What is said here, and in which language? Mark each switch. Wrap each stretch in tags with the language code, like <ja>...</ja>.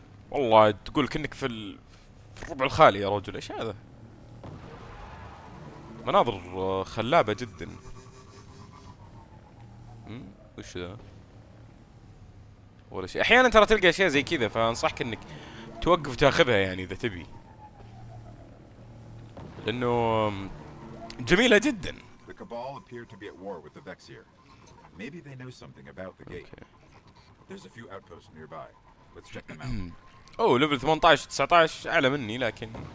<ar>والله تقول كأنك في الربع الخالي يا رجل، ايش هذا؟ مناظر خلابة جدا. وش ذا؟ ولا شيء، احيانا ترى تلقى اشياء زي كذا فانصحك انك توقف تاخذها يعني اذا تبي. لأنه جميلة جدا.</ar> <en>The Cabal appear to be at war with the Vexier. Maybe they know something about the gate. There's a few outposts nearby. Let's check them out.</en> <ar>Oh, level 18, 19 أعلى مني لكن.</ar>